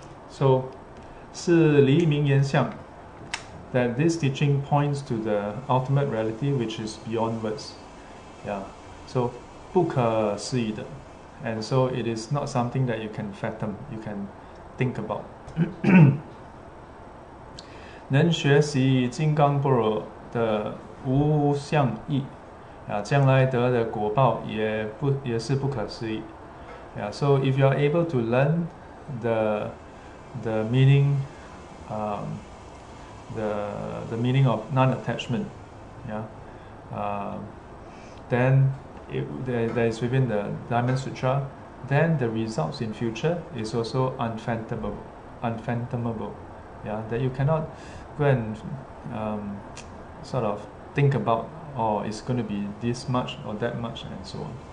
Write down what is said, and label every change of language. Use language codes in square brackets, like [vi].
[en] So, [zh] 是离名言相, [en] that this teaching points to the ultimate reality, which is beyond words. Yeah. So, [zh] 不可思议的, [en] and so it is not something that you can fathom, you can think about. [zh] 能学习金刚般若的无相义, 将来得的果报也是不可思议. [en] Yeah. So, if you are able to learn the meaning of non-attachment, then it, that is within the Diamond Sutra, then the results in future is also unfathomable, yeah, that you cannot go and sort of think about, oh, it's going to be this much or that much and so on.